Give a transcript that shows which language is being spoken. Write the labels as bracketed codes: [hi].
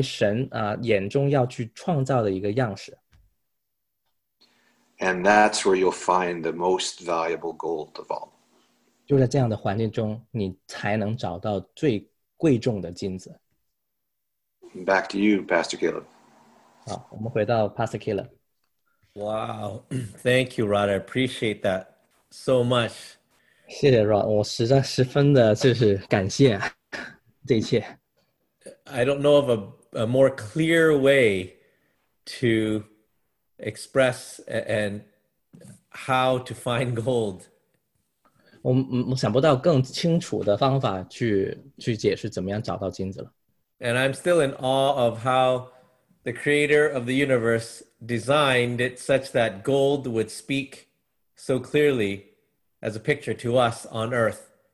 [zh] 去观看在各样的这种的环境当中，怎么样这些个别零碎东西可以集中在一起，成为神眼中要去创造的一个样式。 [en] And that's where you'll find the most valuable gold of all. [zh] 就在这样的环境中，你才能找到最 [en] Back to you, Pastor Caleb. [zh] 好，我们回到Pastor Caleb. [en] Wow, thank you, Rod. I appreciate that so much. [zh] 谢谢 Rod, 我实在十分的就是感谢这一切. [en] I don't know of a more clear way to express and how to find gold. [zh] 我想不到更清楚的方法去解释怎么样找到金子了。 [en] And I'm still in awe of how the creator of the universe designed it such that gold would speak so clearly as a picture to us on earth.